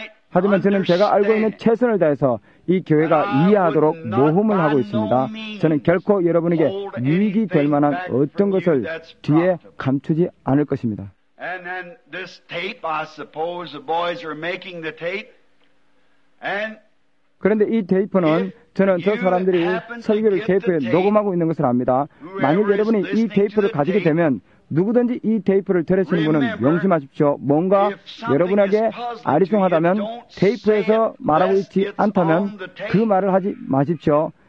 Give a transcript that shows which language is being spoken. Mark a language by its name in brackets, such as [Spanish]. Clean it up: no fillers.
[Korean] 하지만 저는 제가 알고 있는 최선을 다해서 이 교회가 이해하도록 모험을 하고 있습니다. 저는 결코 여러분에게 유익이 될 만한 어떤 것을 뒤에 감추지 않을 것입니다. [English] And then this tape, I suppose the boys are making the tape. And [Korean] 그런데 이 테이프는 저는 저 사람들이 설교를 테이프에 녹음하고 있는 것을 압니다. 만약 여러분이 이 테이프를 가지게 되면 누구든지 이 테이프를 들으시는 분은 명심하십시오. 뭔가 여러분에게 아리송하다면 테이프에서 말하고 있지 않다면 그 말을 하지 마십시오.